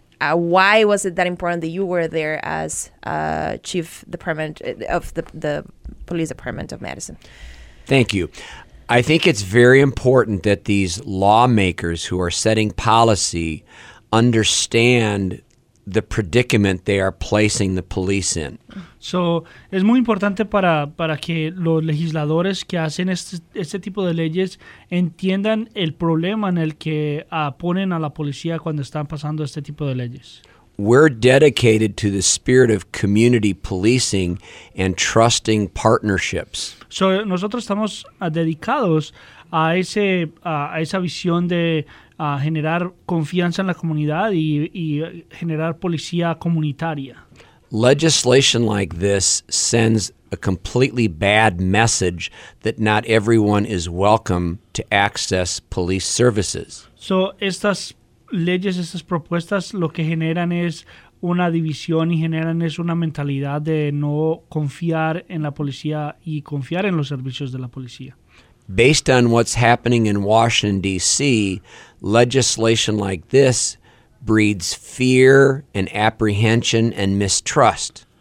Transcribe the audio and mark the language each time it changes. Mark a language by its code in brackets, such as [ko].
[en] Why was it that important that you were there as chief department of the police department of Madison? Thank you. I think it's very important that these lawmakers who are setting policy understand the predicament they are placing the police in. [es] So, es muy importante para que los legisladores que hacen este tipo de leyes entiendan el problema en el que ponen a la policía cuando están pasando este tipo de leyes. [en] We're dedicated to the spirit of community policing and trusting partnerships. [es] So, nosotros estamos dedicados a esa visión de generar confianza en la comunidad y generar policía comunitaria. [en] Legislation like this sends a completely bad message that not everyone is welcome to access police services. [es] So, estas leyes, estas propuestas, lo que generan es una división y generan es una mentalidad de no confiar en la policía y confiar en los servicios de la policía. [en] Based on what's happening in Washington, D.C., legislation like this breeds fear and apprehension and mistrust.